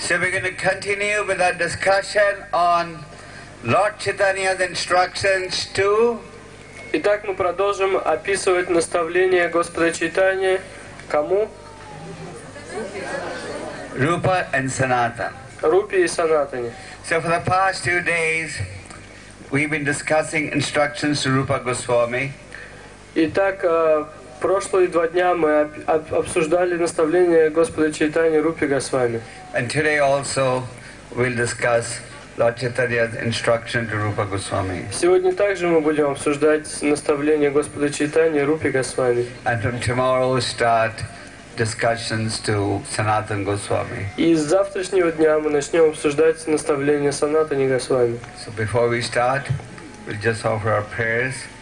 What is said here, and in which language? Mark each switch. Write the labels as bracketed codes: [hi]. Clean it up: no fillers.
[en] So we're going to continue with our discussion on Lord Chaitanya's instructions to. [ru] Итак, мы продолжим описывать наставления Господа Чайтаньи кому? [en] Rupa and Sanatan. [ru] Рупе и Санатане. [en] So for the past 2 days, we've been discussing instructions to Rupa Goswami. [ru] Итак, прошлые 2 дня мы обсуждали наставления Господа Чайтаньи Рупи Госвами. [en] And today also we'll discuss Lord Chaitanya's instruction to Rupa Goswami. [ru] Сегодня также мы будем обсуждать наставления Господа Чайтаньи Рупи Госвами. [en] And from tomorrow we'll start discussions to Sanatan Goswami. [ru] И с завтрашнего дня мы начнем обсуждать наставления Санатани Госвами. [en] So before we start, we'll just offer our prayers.